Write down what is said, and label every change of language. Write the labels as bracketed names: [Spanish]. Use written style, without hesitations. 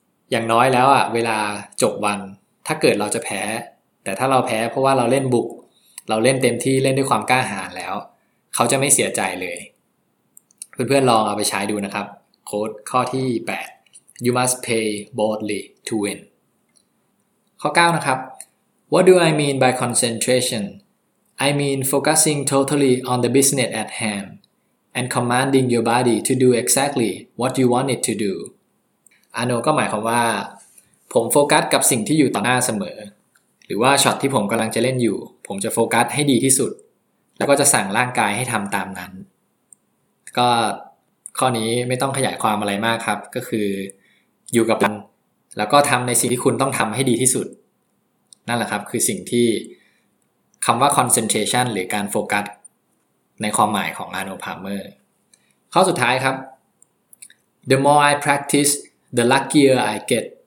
[Thai] อย่างน้อยแล้วอ่ะเวลาจบวันถ้าเกิดเราจะแพ้แต่ถ้าเราแพ้เพราะว่าเราเล่นบุกเราเล่นเต็มที่เล่นด้วยความกล้าหาญแล้วเขาจะไม่เสียใจเลยเพื่อนๆลองเอาไปใช้ดูนะครับโค้ดข้อที่8 [English] You must play boldly to win [Thai] ข้อ9นะครับ [English] What do I mean by concentration? I mean focusing totally on the business at handand commanding your body to do exactly what you want it to do. [Thai] Ano ก็หมายความว่าผมโฟกัสกับสิ่งที่อยู่ต่อหน้าเสมอหรือว่าช็อตที่ผมกำลังจะเล่นอยู่ผมจะโฟกัสให้ดีที่สุดแล้วก็จะสั่งร่างกายให้ทำตามนั้น ก็ข้อนี้ไม่ต้องขยายความอะไรมากครับก็คืออยู่กับมันแล้วก็ทำในสิ่งที่คุณต้องทำให้ดีที่สุดนั่นแหละครับคือสิ่งที่คำว่า concentration หรือการโฟกัสในความหมายของอาร์โน พาเมอร์ข้อสุดท้ายครับ [English] The more I practice, the luckier I get